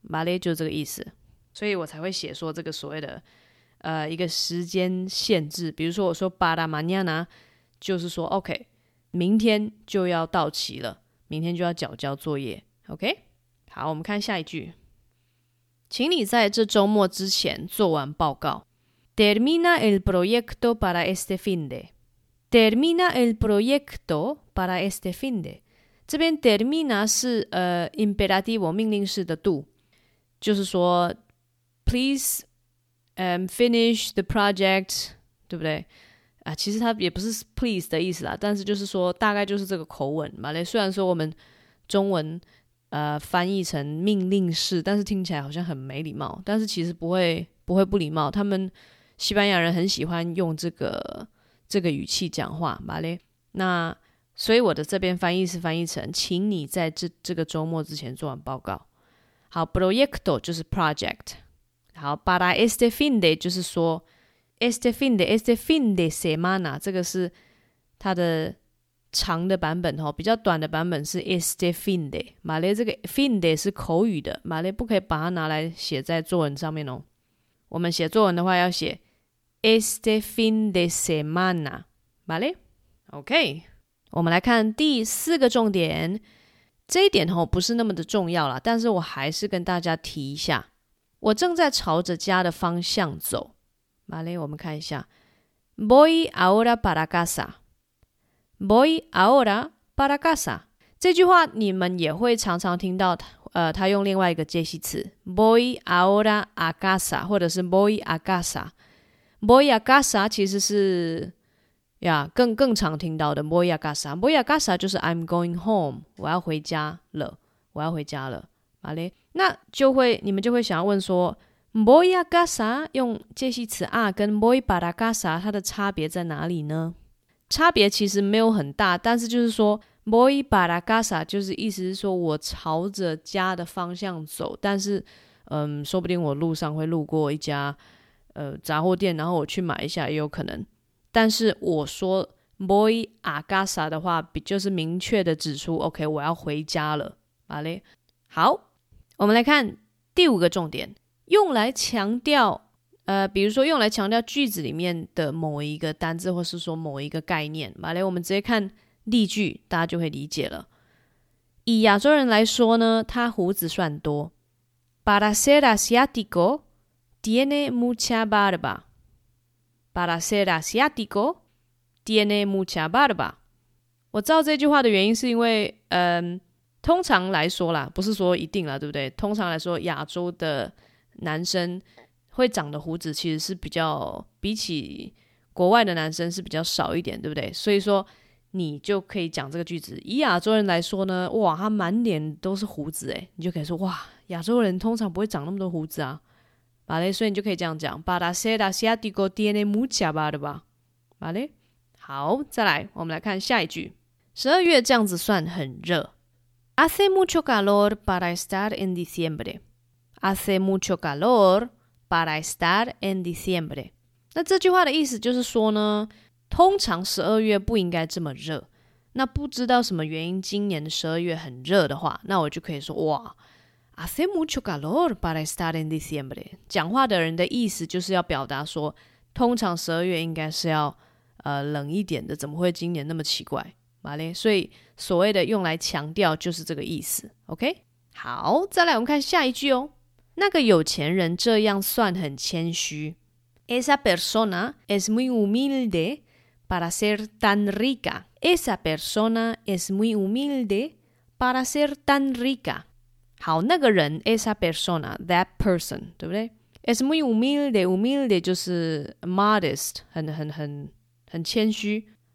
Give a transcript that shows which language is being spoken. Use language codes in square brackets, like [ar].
[zh] vale， 就这个意思，所以我才会写说这个所谓的一个时间限制。比如说我说 [es] para mañana， [zh] 就是说 OK， 明天就要到期了，明天就要缴交作业。 OK， 好，我们看下一句，请你在这周末之前做完报告。 [es] Termina el proyecto para este fin de， Termina el proyecto para este fin de。 [zh] 这边 termina 是imperativo 命令式的 do， 就是说 [en] Please finish the project， [zh] 对不对？其实它也不是 please 的意思啦，但是就是说大概就是这个口吻嘛。虽然说我们中文翻译成命令式，但是听起来好像很没礼貌，但是其实不会不礼貌，他们西班牙人很喜欢用这个语气讲话嘛。那所以我的这边翻译是翻译成请你在这个周末之前做完报告。好， proyecto 就是 project。 好， para este fin de 就是说 [es] este fin de semana， [zh] 这个是它的长的版本，比较短的版本是 este fin de。 vale， 这个 fin de 是口语的， vale， 不可以把它拿来写在作文上面哦。我们写作文的话要写 este fin de semana， vale。 OK， 我们来看第四个重点，这一点不是那么的重要啦，但是我还是跟大家提一下，我正在朝着家的方向走。 vale， 我们看一下。 [es] Voy ahora para casa。 Voy ahora para casa。 [zh] 这句话你们也会常常听到他用另外一个介系词。 [es] Voy ahora a casa， 或者是 voy a casa。 Voy a casa [zh] 其实是呀更常听到的 [es] voy a casa。 Voy a casa [zh] 就是 [en] I'm going home， [zh] 我要回家了，我要回家了。 vale， 那就会你们就会想要问说 [es] voy a casa [zh] 用介系词 a 跟 [es] voy para casa [zh] 它的差别在哪里呢？差别其实没有很大，但是就是说 [es] voy para casa [zh] 就是意思是说我朝着家的方向走，但是说不定我路上会路过一家杂货店，然后我去买一下也有可能。但是我说 [es] voy a casa [zh] 的话，就是明确的指出 OK 我要回家了。 vale， 好，我们来看第五个重点，用来强调比如说用来强调句子里面的某一个单字或是说某一个概念。 vale， 我们直接看例句大家就会理解了。以亚洲人来说呢，他胡子算多。 [es] Para ser asiático, tiene mucha barba. Para ser asiático, tiene mucha barba. [zh] 我知道这句话的原因是因为，通常来说啦，不是说一定啦，对不对？通常来说，亚洲的男生会长的胡子其实是比较，比起国外的男生是比较少一点，对不对？所以说，你就可以讲这个句子。以亚洲人来说呢，哇，他满脸都是胡子，哎，你就可以说哇。亚洲人通常不会长那么多胡子啊，vale， 所以你就可以这样讲 [es] Para ser asiático tiene mucha barba， [zh] vale？好，再来我们来看下一句，12月这样子算很热。 [es] Hace mucho calor para estar en diciembre. Hace mucho calor para estar en diciembre. [zh] 那这句话的意思就是说呢，通常12月不应该这么热，那不知道什么原因今年的12月很热的话，那我就可以说哇， [es] Hace mucho calor para estar en diciembre。 [zh] 讲话的人的意思就是要表达说通常十二月应该是要冷一点的，怎么会今年那么奇怪，vale？所以所谓的用来强调就是这个意思， OK？好，再来我们看下一句哦。那个有钱人这样算很谦虚。 [es] Esa persona es muy humilde para ser tan rica. Esa persona es muy humilde para ser tan rica。 [zh] 好，那个人 [es] esa persona [en] that person [zh] 对不对？ [es] es muy humilde， [zh] humilde 就是 modest， 很谦虚。